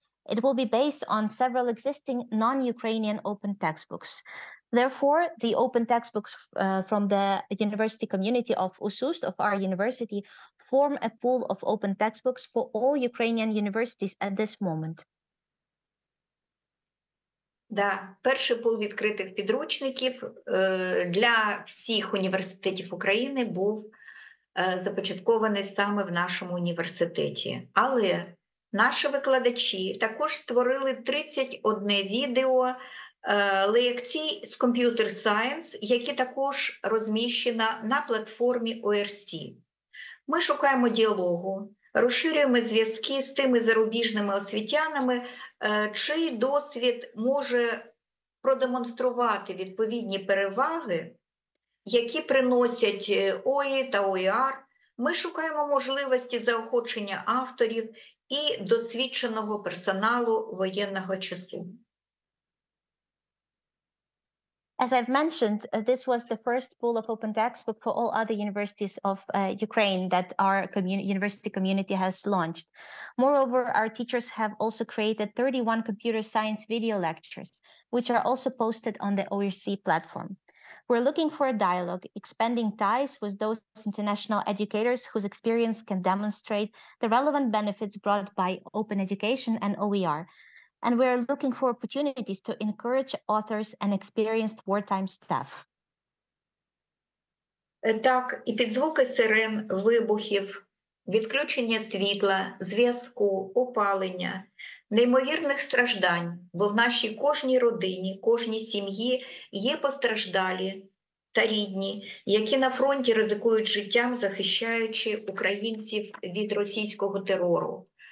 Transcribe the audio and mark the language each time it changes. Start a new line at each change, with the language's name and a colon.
English: It will be based on several existing non-Ukrainian open textbooks. Therefore, the open textbooks from the university community of USUST, of our university, form a pool of open textbooks for all Ukrainian universities at this moment.
Ukrainian: Да, перший пул відкритих підручників для всіх університетів України був започаткований саме в нашому університеті. Але наші викладачі також створили 31 відео лекцій з Computer Science, які також розміщені на платформі ORC. Ми шукаємо діалогу, розширюємо зв'язки з тими зарубіжними освітянами, чий досвід може продемонструвати відповідні переваги, які приносять ОІ та ОІР. Ми шукаємо можливості заохочення авторів і досвідченого персоналу воєнного часу.
English: As I've mentioned, this was the first pool of open textbook for all other universities of Ukraine that our university community has launched. Moreover, our teachers have also created 31 computer science video lectures, which are also posted on the ORC platform. We're looking for a dialogue, expanding ties with those international educators whose experience can demonstrate the relevant benefits brought by open education and OER. And we're looking for opportunities to encourage authors and experienced wartime staff.
Ukrainian: Так, і під звуки сирен, вибухів, відключення світла, зв'язку, опалення, неймовірних страждань, бо в нашій кожній родині, кожній сім'ї є постраждалі та рідні, які на фронті ризикують життям, захищаючи українців від російського терору.